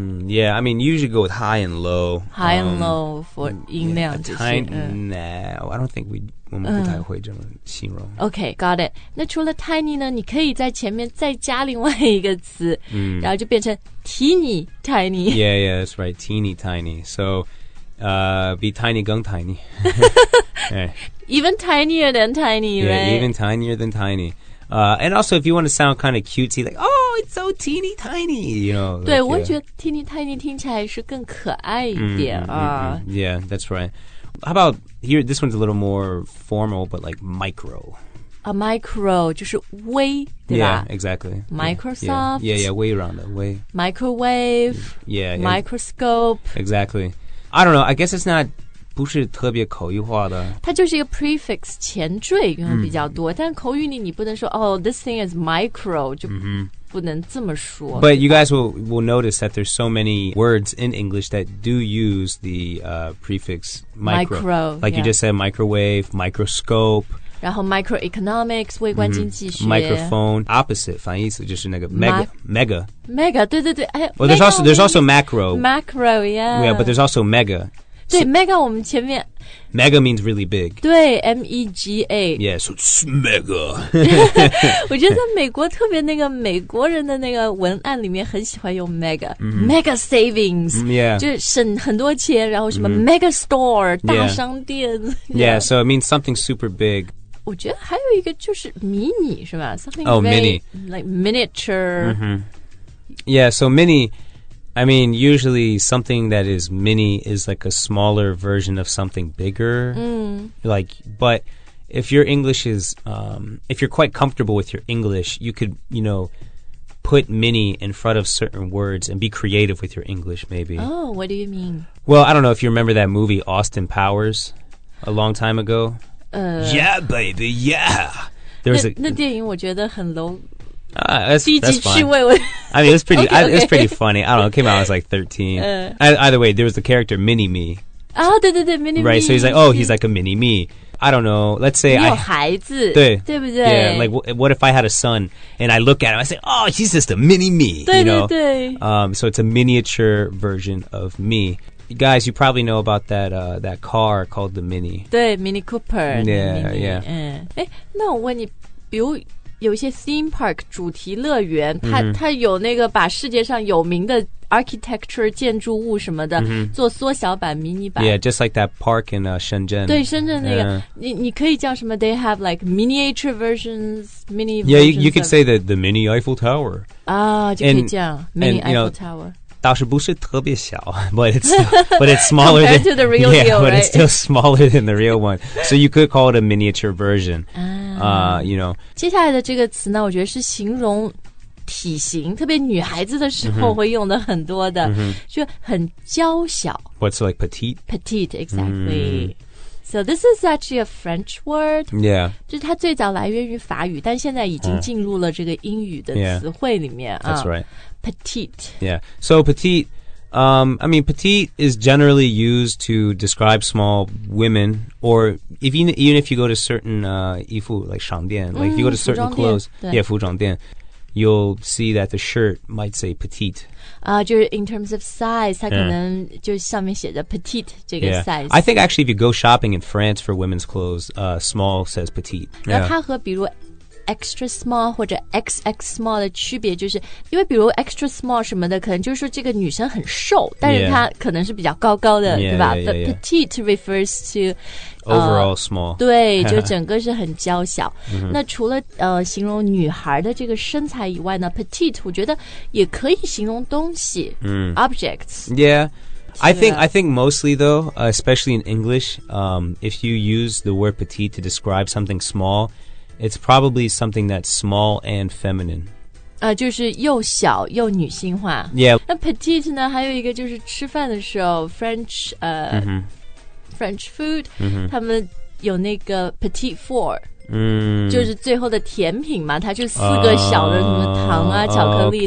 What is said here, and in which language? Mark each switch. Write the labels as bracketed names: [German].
[English] Yeah, I mean, you usually go with high and low. High and low for [Chinese] 音量这些 [English] Nah, I don't think we [Chinese] 不太会这么形容 [English] Okay, got it. [Chinese] 那除了 tiny 呢你可以在前面再加另外一个词、然后就变成 teeny tiny. [English] Yeah, yeah, that's right, teeny tiny. So, be tiny [Chinese] 更 [English] tiny. even tinier than tiny, yeah, right? Yeah, even tinier than tiny. And also, if you want to sound kind of cutesy, like, oh, it's so teeny tiny, you know. [Chinese] 对、 [English] like, [Chinese] 我觉得 teeny tiny 听起来是更可爱一点、 [English] Yeah, that's right. How about here? This one's a little more formal, but like micro. [Chinese] A micro 就是微对吧 [English] Yeah, exactly. Microsoft. Yeah, yeah, yeah 微软的微 Microwave. Yeah. Microscope. Exactly. I don't know. I guess it's not... [Chinese] 不是特别口语化的它就是一个 prefix 前缀用比较多、但口语里你不能说 [English] Oh, this thing is micro [Chinese] 就不能这么说 [English] But you guys will notice that there's so many words in English that do use the prefix micro Like、 you just said microwave, microscope [Chinese] 然后 microeconomics 微观经济学、 [English] microphone opposite [Chinese] 反义词就是那个 mega mega 对对对、 [English] well, there's also macro yeah yeah but there's also mega [Chinese] 对 ，mega 我们前面 [English] mega means really big. [Chinese] 对 ，mega. [English] Yes, it's mega. [Chinese] 我觉得在美国特别那个美国人的那个文案里面很喜欢用 mega,、 [English] mm-hmm. mega savings,、 mm-hmm. yeah. [Chinese] 就是省很多钱，然后什么、 [English] mm-hmm. [Chinese] mega store 大商店。 [English] Yeah. Yeah, so it means something super big. [Chinese] 我觉得还有一个就是迷你是吧 [English] Oh, very, mini. Like miniature.、 Mm-hmm. Yeah, so mini, I mean, usually something that is mini is like a smaller version of something bigger.、 Mm. Like, but if your English is,、if you're quite comfortable with your English, you could, you know, put mini in front of certain words and be creative with your English maybe. Oh, what do you mean? Well, I don't know if you remember that movie Austin Powers a long time ago. Yeah, baby, yeah. There's [Chinese] 那电影我觉得很 low. [English] That's fine. I mean, it was pretty, okay, okay. It was pretty funny. I don't know, it came out when I was like 13. Either way, there was the character Mini-Me. Oh, [Chinese] 对对对 Mini-Me. [English] Right, so he's like, oh, he's like a Mini-Me. I don't know, let's say [Chinese] 你有孩子对, 对不对 [English] Yeah, like what if I had a son and I look at him, I say, oh, he's just a Mini-Me. [Chinese] 对对对 [English] you know? So it's a miniature version of me. Guys, you probably know about that car called the Mini. [Chinese] 对 ,Mini Cooper. [English] Yeah, Mini, yeah. [Chinese] 那我问你比如有一些 theme park, 主题乐园、mm-hmm. 它有那个把世界上有名的 architecture, 建筑物什么的、mm-hmm. 做缩小版 ,mini 版。 [English] Yeah, just like that park in Shenzhen. [Chinese] 对深圳那个、你可以叫什么 [English] ,they have like miniature versions, mini versions. Yeah, you could say the Mini Eiffel Tower. [Chinese] 啊、 [English] oh, [Chinese] 就可以这样 ,Mini Eiffel [English] you know, [Chinese] Tower. 倒是不是特别小 [English] but it's smaller compared than, to the real yeah, deal but、 right? it's still smaller than the real one so you could call it a miniature version、you know [Chinese] 接下来的这个词呢我觉得是形容体型特别女孩子的时候会用的很多的、mm-hmm. 就很娇小 [English] what's like petite petite exactly、mm-hmm. so this is actually a French word yeah [Chinese] 就是它最早来源于法语但现在已经进入了这个英语的词汇里面、 [English] yeah. that's right Petite. Yeah. So petite, I mean, petite is generally used to describe small women or even if you go to certain [Chinese] 衣服 [English] like [Chinese] 商店 [English] like if you go to certain clothes, [Chinese] 服装店 [English] you'll see that the shirt might say petite. [Chinese] 就是 [English] in terms of size, [Chinese] 它可能就上面写的 petite 这个 size. [English] I think actually if you go shopping in France for women's clothes, small says petite. [Chinese] 那它和比如extra small 或者 XX small 的区别就是因为比如 extra small 什么的可能就是说这个女生很瘦但是她可能是比较高高的 [English] yeah, [Chinese] 对吧 [English] yeah, yeah, yeah. The petite refers to overall small [Chinese] 对就整个是很娇小那除了形容女孩的这个身材以外呢 petite 我觉得也可以形容东西、objects [English] yeahI think mostly though, especially in English, if you use the word petite to describe something smallIt's probably something that's small and feminine. [Chinese] 就是又小又女性化。 [English] Yeah. [Chinese] 那 petite 呢还有一个就是吃饭的时候 French, [English] French food, [Chinese] 他们有那个 petite four,就是最后的甜品嘛它就四个小的什么糖啊、巧克力、